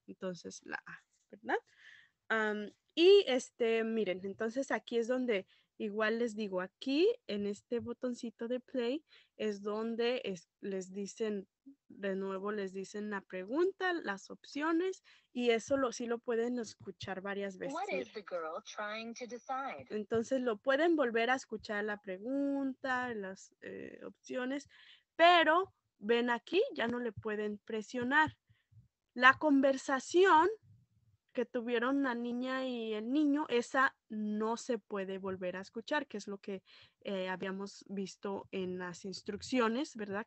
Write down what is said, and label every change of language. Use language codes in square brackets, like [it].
[es] Entonces la A, ¿verdad? Y miren, entonces aquí es donde... Igual les digo, aquí en este botoncito de play es donde les dicen, de nuevo les dicen la pregunta, las opciones, y eso sí lo pueden escuchar varias veces. [en] What is the girl trying to decide? [es] Entonces lo pueden volver a escuchar la pregunta, las opciones, pero ven aquí, ya no le pueden presionar. La conversación que tuvieron la niña y el niño, esa no se puede volver a escuchar, que es lo que habíamos visto en las instrucciones, ¿verdad?